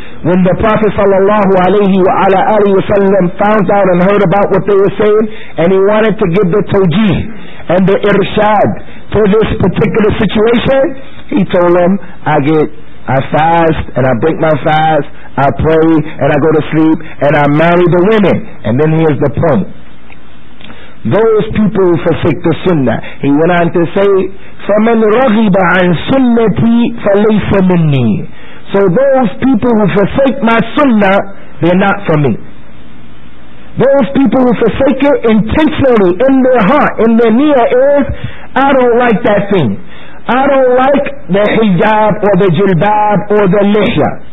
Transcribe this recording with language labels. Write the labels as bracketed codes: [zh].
[en] When the Prophet sallallahu alayhi wa ala alayhi wa sallam found out and heard about what they were saying, and he wanted to give the tawjih and the irshad for this particular situation, he told them, I get I fast and I break my fast, I pray and I go to sleep, and I marry the women. And then here's the point. Those people who forsake the sunnah. He went on to say, [ar] فَمَنْ رَغِبَ عَنْ سُنَّتِي فَلَيْسَ مِنِّي. [en] So those people who forsake my sunnah, they're not for me. Those people who forsake it intentionally in their heart, in their near ears, I don't like that thing. I don't like the hijab or the jilbab or the lihya.